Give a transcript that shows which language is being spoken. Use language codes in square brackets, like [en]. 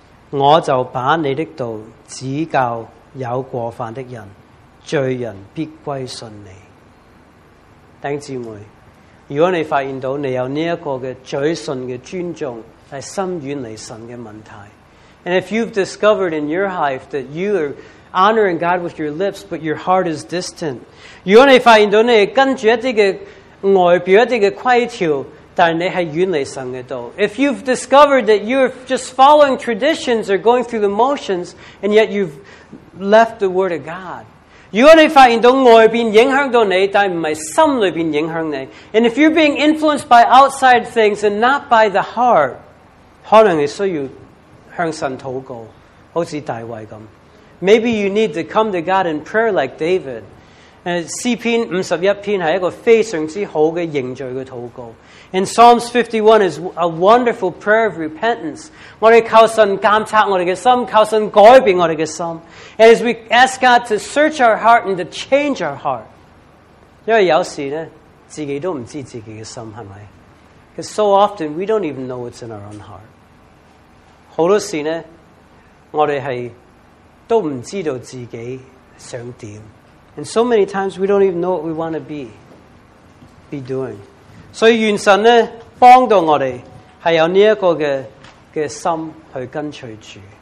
[zh] 我就把你的道指教有过犯的人，罪人必归信你。弟兄姊妹，如果你发现到你有这个的嘴信的尊重是心远离神的问题， [en] And if you've discovered in your life that you are honoring God with your lips but your heart is distant， [zh] 如果你发现到你跟着一些的外表一些的规条，但你是远离神的道， [en] If you've discovered that you're just following traditions or going through the motions and yet you've left the word of God， [zh] 如果你发现到外面影响到你，但不是心里面影响你， [en] And if you're being influenced by outside things and not by the heart， [zh] 可能你需要向神祷告，好像大卫咁。 [en] Maybe you need to come to God in prayer like David。 [zh] 诗篇51篇是一个非常之好的认罪的祷告。 [en] And Psalms 51 is a wonderful prayer of repentance. [zh] 我们求神监察我们的心，求神改变我们的心。 [en] And as we ask God to search our heart and to change our heart. [zh] 因为有时呢，自己都不知道自己的心，是不是？ [en] Because so often we don't even know what's in our own heart. [zh] 很多时呢，我们是都不知道自己想怎。 [en] And so many times we don't even know what we want to be doing. [zh] 所以愿神呢帮到我们是有这个 的心去跟随主。